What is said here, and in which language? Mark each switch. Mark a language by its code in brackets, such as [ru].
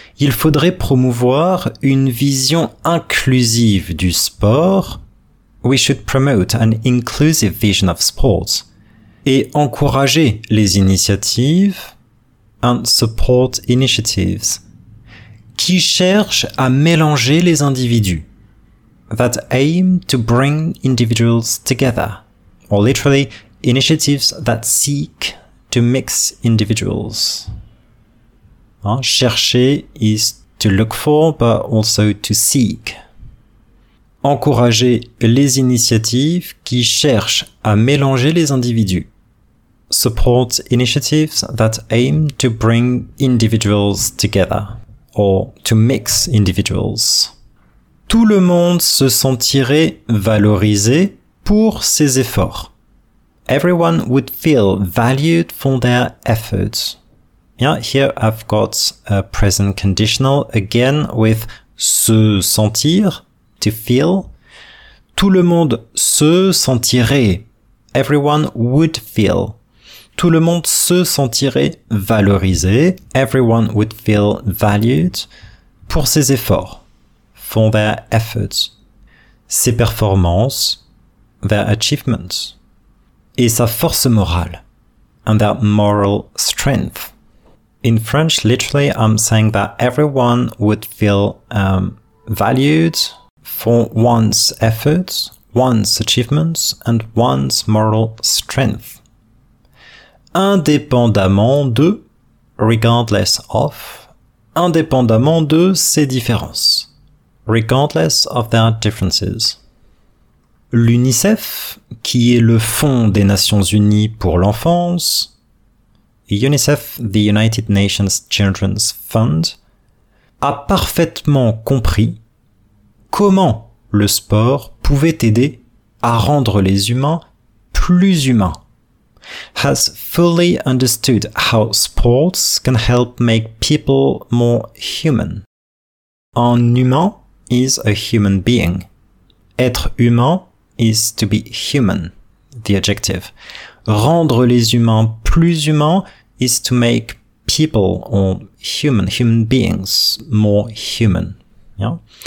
[fr] Il faudrait promouvoir une vision inclusive du sport. [en] We should promote an inclusive vision of sports. [fr] Et encourager les initiatives. [en] And support initiatives. [fr] Qui cherchent à mélanger les individus. [en] That aim to bring individuals together. Or literally, initiatives that seek to mix individuals. Chercher is to look for, but also to seek. [fr] Encourager les initiatives qui cherchent à mélanger les individus. [en] Support initiatives that aim to bring individuals together, or to mix individuals. [fr] Tout le monde se sentirait valorisé pour ses efforts. [en] Everyone would feel valued for their efforts. Yeah, here I've got a present conditional again with se sentir, to feel. [fr] Tout le monde se sentirait. [en] Everyone would feel. [fr] Tout le monde se sentirait valorisé. [en] Everyone would feel valued [fr] pour ses efforts. [en] For their efforts. [fr] Ses performances. [en] Their achievements. [fr] Et sa force morale. [en] And their moral strength. In French, literally, I'm saying that everyone would feel valued for one's efforts, one's achievements, and one's moral strength. [fr] Indépendamment de, [en] regardless of, [fr] indépendamment de ses différences, [en] regardless of their differences. [fr] L'UNICEF, qui est le fonds des Nations Unies pour l'enfance, [en] UNICEF, the United Nations Children's Fund, [fr] a parfaitement compris comment le sport pouvait aider à rendre les humains plus humains. [en] Has fully understood how sports can help make people more human. Un humain is a human being. Être humain is to be human, the adjective. [fr] Rendre les humains plus humains [en] is to make people or human beings more human. Yeah?